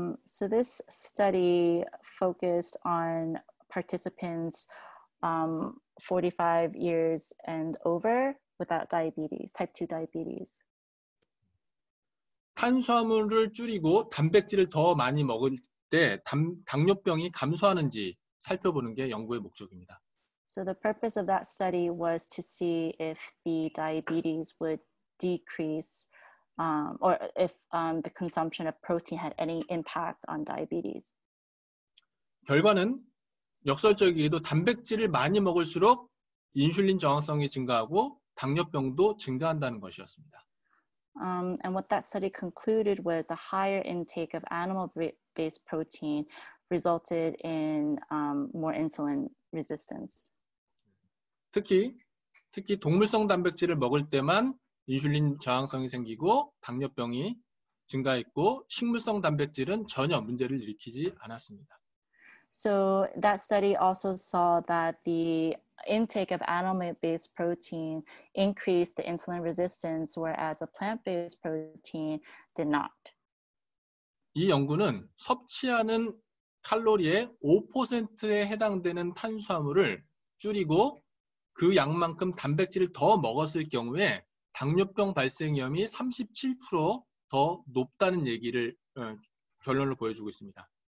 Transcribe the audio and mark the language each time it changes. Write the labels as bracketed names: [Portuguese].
[English] So this study focused on participants 45 years and over without diabetes, type 2 diabetes. [Korean] 탄수화물을 줄이고 단백질을 더 많이 먹을 때 당뇨병이 감소하는지 살펴보는 게 연구의 목적입니다. [English] So the purpose of that study was to see if the diabetes would decrease or if the consumption of protein had any impact on diabetes. [Korean] 결과는 역설적이게도 단백질을 많이 먹을수록 인슐린 저항성이 증가하고 당뇨병도 증가한다는 것이었습니다. [English] And what that study concluded was the higher intake of animal-based protein resulted in more insulin resistance. [Korean] 특히 동물성 단백질을 먹을 때만 인슐린 저항성이 생기고 당뇨병이 증가했고 식물성 단백질은 전혀 문제를 일으키지 않았습니다. [English] So that study also saw that the intake of animal-based protein increased the insulin resistance, whereas a plant-based protein did not. [Korean] 이 연구는 섭취하는 칼로리의 5%에 해당되는 탄수화물을 줄이고 그 양만큼 단백질을 더 먹었을 경우에 당뇨병 발생 위험이 37% 더 높다는 얘기를 결론을 보여주고 있습니다.